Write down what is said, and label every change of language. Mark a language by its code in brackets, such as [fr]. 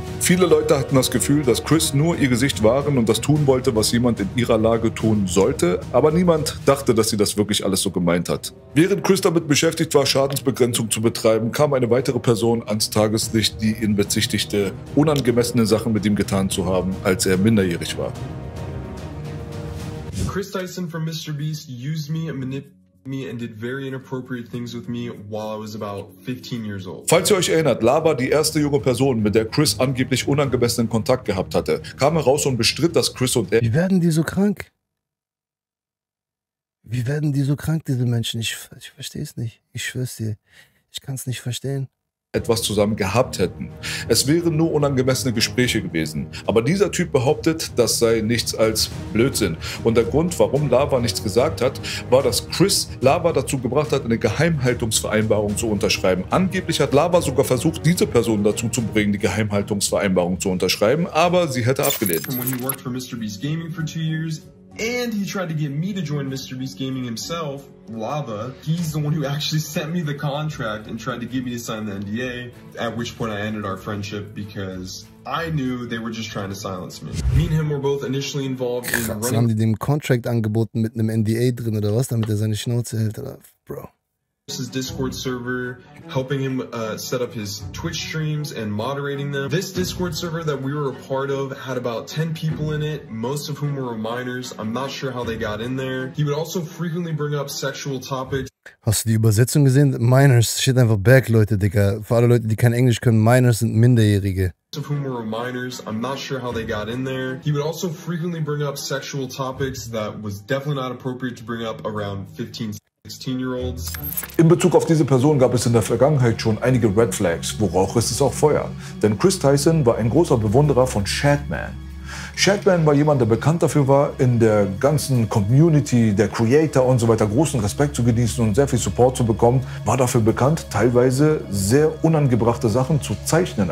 [de] Viele Leute hatten das Gefühl, dass Chris nur ihr Gesicht wahren und das tun wollte, was jemand in ihrer Lage tun sollte, aber niemand dachte, dass sie das wirklich alles so gemeint hat. Während Chris damit beschäftigt war, Schadensbegrenzung zu betreiben, kam eine weitere Person ans Tageslicht, die ihn bezichtigte, unangemessene Sachen mit ihm getan zu haben, als er minderjährig war. [en] Chris Tyson von MrBeast used me and manipulated me and did very inappropriate things with me while I was about 15 years old. [de] Falls ihr euch erinnert, Lava, die erste junge Person, mit der Chris angeblich unangemessenen Kontakt gehabt hatte, kam heraus und bestritt, dass Chris und er... Wie werden die so krank, diese Menschen? Ich verstehe es nicht. Ich schwör's dir. Ich kann es nicht verstehen. ...etwas zusammen gehabt hätten. Es wären nur unangemessene Gespräche gewesen. Aber dieser Typ behauptet, das sei nichts als Blödsinn. Und der Grund, warum Lava nichts gesagt hat, war, dass Chris Lava dazu gebracht hat, eine Geheimhaltungsvereinbarung zu unterschreiben. Angeblich hat Lava sogar versucht, diese Person dazu zu bringen, die Geheimhaltungsvereinbarung zu unterschreiben, aber sie hätte abgelehnt. [en] When he worked for MrBeast Gaming for 2 years, and he tried to get me to join MrBeast Gaming himself, Lava, he's the one who actually sent me the contract and tried to get me to sign the NDA, at which point I ended our friendship because I knew they were just trying to silence me. Me and him were both initially involved in running... [de] Haben die dem Contract angeboten mit einem NDA drin oder was, damit er seine Schnauze hält oder... [en] Bro. His Discord server, helping him set up his Twitch streams and moderating them. This Discord server that we were a part of had about 10 people in it, most of whom were minors. I'm not sure how they got in there. He would also frequently bring up sexual topics. [de] Hast du die Übersetzung gesehen? Minors, shit einfach back, Leute, Digga. Für alle Leute, die kein Englisch können, Minors sind Minderjährige. [en] Of whom were minors, I'm not sure how they got in there. He would also frequently bring up sexual topics that was definitely not appropriate to bring up around 15... [de] In Bezug auf diese Person gab es in der Vergangenheit schon einige Red Flags, wo Rauch ist, ist auch Feuer. Denn Chris Tyson war ein großer Bewunderer von Shadman. Shadman war jemand, der bekannt dafür war, in der ganzen Community der Creator und so weiter großen Respekt zu genießen und sehr viel Support zu bekommen, war dafür bekannt, teilweise sehr unangebrachte Sachen zu zeichnen.